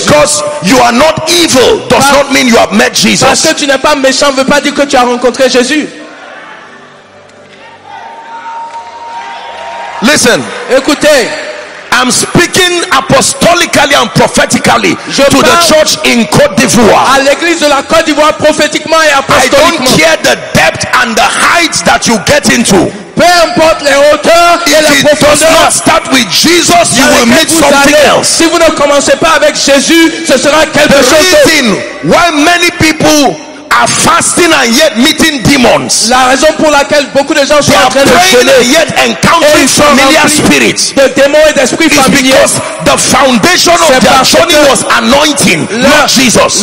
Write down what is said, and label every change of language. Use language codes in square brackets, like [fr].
[en] Just because you are not evil does not mean you have met Jesus. [fr] Parce que tu n'es pas méchant ne veut pas dire que tu as rencontré Jésus. [en] Listen. [fr] Écoutez. [en] I'm speaking apostolically and prophetically to the church in Côte d'Ivoire. [fr] À l'église de la Côte d'Ivoire, prophétiquement et apostoliquement. [en] I don't care the depth and the heights that you get into. [fr] Peu importe les hauteurs et la profondeur. [en] If it does not start with Jesus, you will meet something else. [fr] Si vous ne commencez pas avec Jésus, ce sera quelque chose d'autre. [en] The reason why many people are fasting and yet meeting demons. [fr] La raison pour laquelle beaucoup de gens sont en train de jeûner [en] yet encountering familiar spirits. [fr] De démons et d'esprits familiers. [en] It's because the foundation of their journey was anointing, not Jesus.